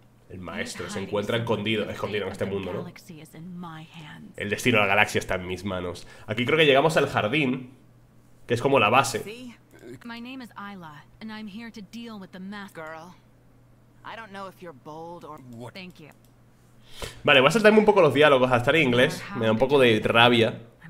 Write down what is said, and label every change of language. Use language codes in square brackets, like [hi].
[es] El maestro se encuentra escondido en este mundo, ¿no? El destino de la galaxia está en mis manos. Aquí creo que llegamos al jardín, que es como la base. [en] My name is Isla, and I'm here to deal with the mask girl. I don't know if you're bold or what. Thank you. [es] Vale, voy a saltarme un poco los diálogos a estar en inglés. Me da un poco de rabia.